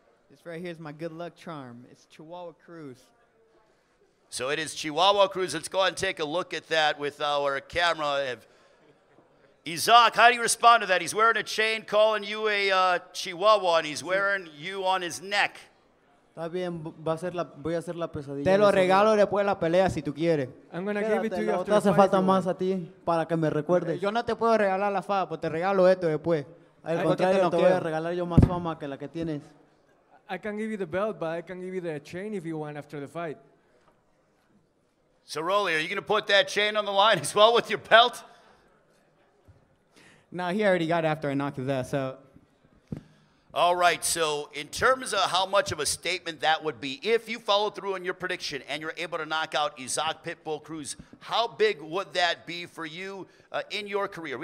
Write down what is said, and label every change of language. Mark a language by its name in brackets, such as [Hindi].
[English] This right here is my good luck charm. It's Chihuahua Cruz. So it is Chihuahua Cruz. Let's go ahead and take a look at that with our camera. Isaac, how do you respond to that? He's wearing a chain calling you a Chihuahua, and he's wearing you on his neck. [Spanish] Está bien, va a ser la, voy a hacer la pesadilla. Te lo regalo después de la pelea si tú quieres. [English] I'm gonna give it to you after the fight. [Spanish] Hace falta más a ti para que me recuerdes. Yo no te puedo regalar la fama, pues te regalo esto después. Al contrario, te voy a regalar yo más fama que la que tienes. [English] I can give you the belt, but I can give you the chain if you want after the fight. So, Rolly, are you gonna put that chain on the line as well with your belt? No, he already got it after I knocked his ass out. All right, so in terms of how much of a statement that would be, if you follow through on your prediction and you're able to knock out Isaac Pitbull Cruz, how big would that be for you in your career?